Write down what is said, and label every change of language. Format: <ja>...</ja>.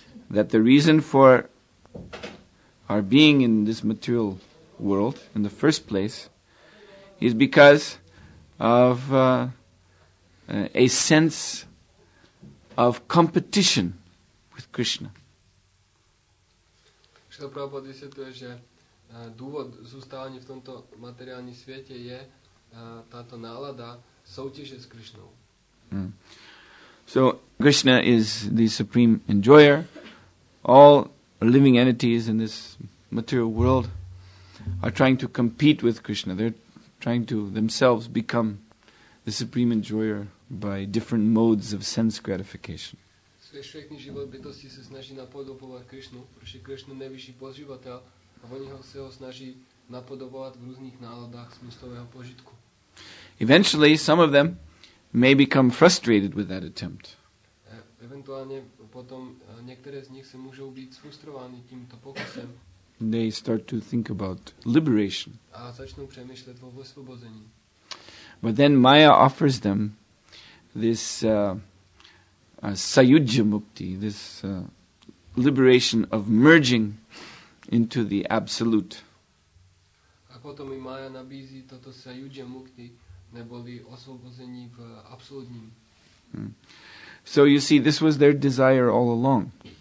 <en>That the reason for our being in this material world in the first place is because of a sense of competition with Krishna.</en> <cs>Srila Prabhupada vysvětluje, že důvod zůstání v tomto materiálním světě je tato nálada soutěže s Krishnou.</cs> <en>So Krishna is the supreme enjoyer. All living entities in this material world are trying to compete with Krishna. They're trying to themselves become the supreme enjoyer by different modes of sense gratification.</en> <cs>Všechny živé bytosti se snaží napodobovat Krishnu, protože Krishna je nejvyšší poživatel a oni se ho snaží napodobovat v různých náladách smyslového požitku.</cs> <en>Eventually, some of them may become frustrated with that attempt.</en> <cs>Eventuálně potom některé z nich se můžou být frustrovány tímto pokusem.</cs> <en>They start to think about liberation.</en> <cs>A začnou přemýšlet o osvobození.</cs> <en>But then Maya offers them this sayujya mukti, this liberation of merging into the absolute.</en> <cs>A potom i Maya nabízí toto sayujya mukti, neboli osvobození v absolutním.</cs> <en>So you see, this was their desire all along.</en>